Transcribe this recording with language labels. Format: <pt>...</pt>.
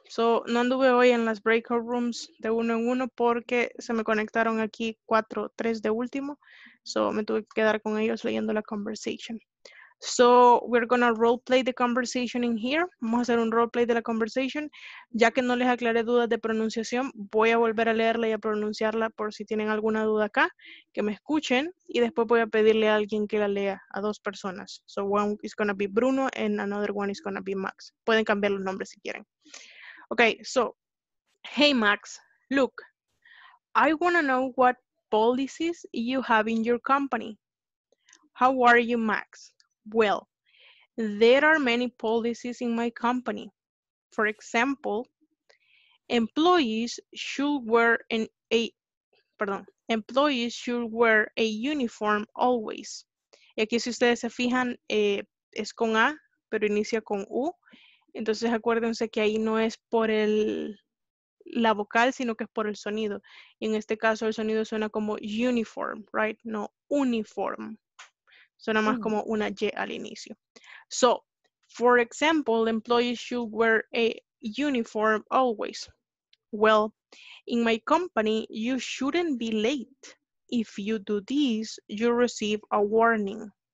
<es>So, no anduve hoy en las breakout rooms de uno en uno porque se me conectaron aquí cuatro, tres de último. So, me tuve que quedar con ellos leyendo la conversation.</es> <en>So, we're gonna role play the conversation in here.</en> <es>Vamos a hacer un role play de la conversation. Ya que no les aclaré dudas de pronunciación, voy a volver a leerla y a pronunciarla por si tienen alguna duda acá, que me escuchen. Y después voy a pedirle a alguien que la lea a dos personas.</es> <en>So, one is gonna be Bruno and another one is gonna be Max.</en> <es>Pueden cambiar los nombres si quieren.</es> <en>Okay, so, hey Max, look, I want to know what policies you have in your company. How are you, Max? Well, there are many policies in my company. For example, employees should wear a uniform always.</en> <es>Y aquí si ustedes se fijan, es con A, pero inicia con U. Entonces acuérdense que ahí no es por el la vocal, sino que es por el sonido. Y en este caso el sonido suena como uniform, right? No uniform. Suena más como una Y al inicio.</es> <en>So, for example, employees should wear a uniform always. Well, in my company, you shouldn't be late. If you do this, you receive a warning.</en>